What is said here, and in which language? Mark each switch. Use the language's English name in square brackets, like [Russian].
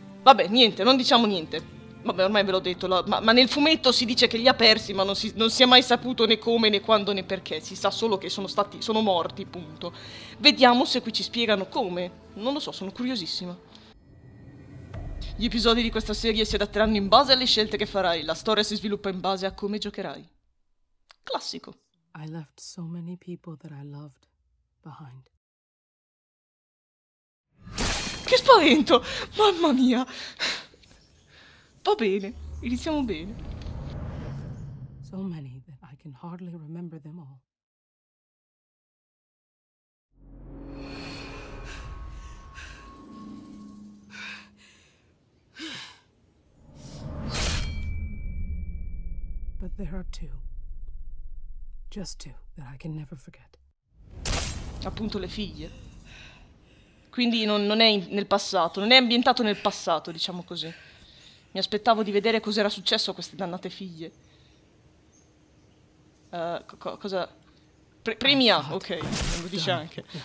[Italian] Vabbè, niente, non diciamo niente. Vabbè, ormai ve l'ho detto, ma nel fumetto si dice che li ha persi, ma non si è mai saputo né come, né quando, né perché. Si sa solo che sono morti, punto. Vediamo se qui ci spiegano come. Non lo so, sono curiosissima. Gli episodi di questa serie si adatteranno in base alle scelte che farai. La storia si sviluppa in base a come giocherai. Classico. [English] I left so many people that I loved behind. [Italian] Che spavento! Mamma mia! Va bene, iniziamo bene. [English] So many that I can hardly remember them all. But there are two, just two, that I can never forget. [Italian] Appunto le figlie. Quindi non è nel passato, non è ambientato nel passato, diciamo così. Mi aspettavo di vedere cos'era successo a queste dannate figlie. Cosa? Premia, ok, non lo dice anche.